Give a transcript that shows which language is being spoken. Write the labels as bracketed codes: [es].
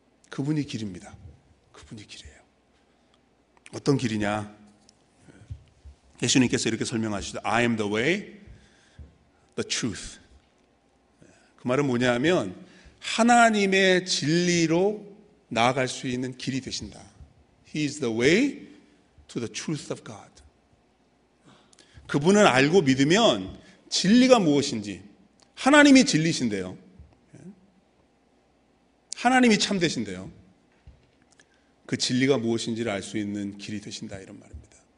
[ko] 그분이 길입니다. 그분이 길이에요. 어떤 길이냐? 예수님께서 이렇게 설명하시죠. [en] I am the way, the truth. [ko] 그 말은 뭐냐 하면 하나님의 진리로 나아갈 수 있는 길이 되신다. [en] He is the way to the truth of God. [ko] 그분을 알고 믿으면 진리가 무엇인지, 하나님이 진리신데요. 하나님이 참되신데요. 그 진리가 무엇인지를 알 수 있는 길이 되신다, 이런 말입니다.